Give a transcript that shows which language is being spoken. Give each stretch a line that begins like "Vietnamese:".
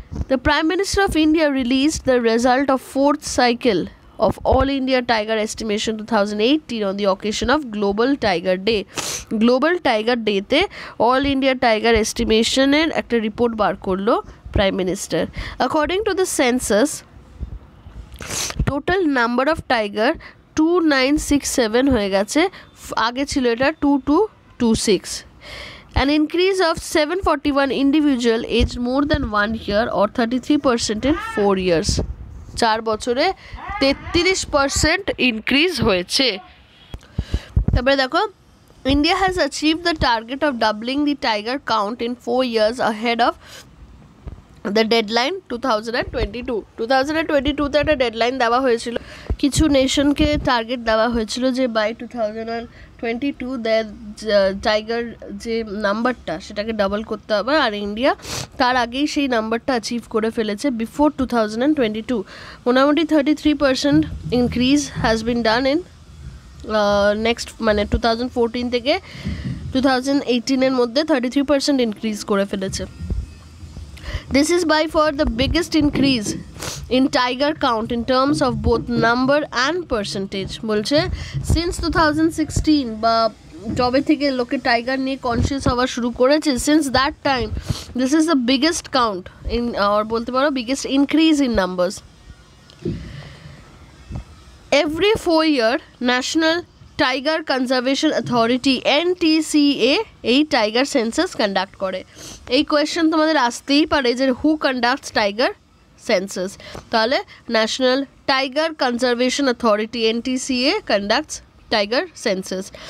English: the prime minister of India released the result of fourth cycle of all India tiger estimation 2018 on the occasion of
Bangla: global tiger day global tiger ডেতে all India tiger এস্টিমেশনের একটা report বার করলো
English: prime minister according to the census total number of tiger 2967
Bangla: হয়ে গেছে আগে ছিল এটা
English: 2226 An increase of 741 individual aged more than 1 year or 33% in 4 years.
Bangla: 4 বছরে 33% increase হয়েছে. তারপরে দেখো,
English: India has achieved the target of doubling the tiger count in 4 years ahead of the deadline 2022.
Bangla: 2022তে একটা deadline দেওয়া হয়েছিল. কিছু নেশনকে টার্গেট দেওয়া হয়েছিল যে
English: by 2022 the tiger
Bangla: যে নাম্বারটা সেটাকে ডাবল করতে হবে, আর ইন্ডিয়া তার আগেই সেই নাম্বারটা অ্যাচিভ করে ফেলেছে বিফোর 2022. মোটামুটি 33% increase
English: has been done in next,
Bangla: মানে 2014 থেকে 2018 মধ্যে 33% ইনক্রিজ করে ফেলেছে.
English: This is by far the biggest increase in tiger count in terms of both number and percentage.
Bangla: বলছে
English: since 2016
Bangla: বা যবে থেকে লোকে টাইগার নিয়ে কনসিয়াস হওয়া শুরু করেছে,
English: since that time this is the biggest count in, or
Bangla: বলতে পারো
English: biggest increase in numbers. Every 4 year
Bangla: national tiger conservation authority NTCA এই টাইগার সেন্সাস কন্ডাক্ট করে. এই কোয়েশ্চেন তোমাদের আসতেই পারে যে
English: who conducts tiger census,
Bangla: তাহলে national tiger conservation authority NTCA conducts tiger census.